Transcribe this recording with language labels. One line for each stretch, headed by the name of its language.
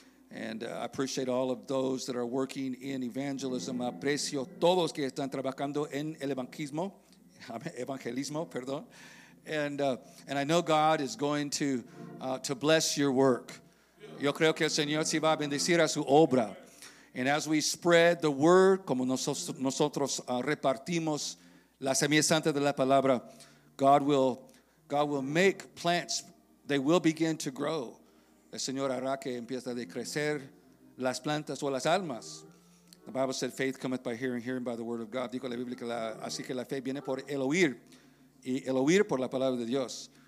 English: And I appreciate all of those that are working in evangelism.
Spanish: Aprecio todos que están trabajando en el evangelismo, perdón.
English: And I know God is going to bless your work.
Spanish: Yo creo que el Señor sí va a bendecir a su obra.
English: And as we spread the word,
Spanish: como nosotros repartimos la semilla santa de la palabra,
English: God will make plants. They will begin to grow.
Spanish: El Señor hará que empiece a crecer las plantas o las almas.
English: The Bible said, faith cometh by hearing, hearing by the word of God.
Spanish: Dijo la Biblia que así que la fe viene por el oír, y el oír por la palabra de Dios.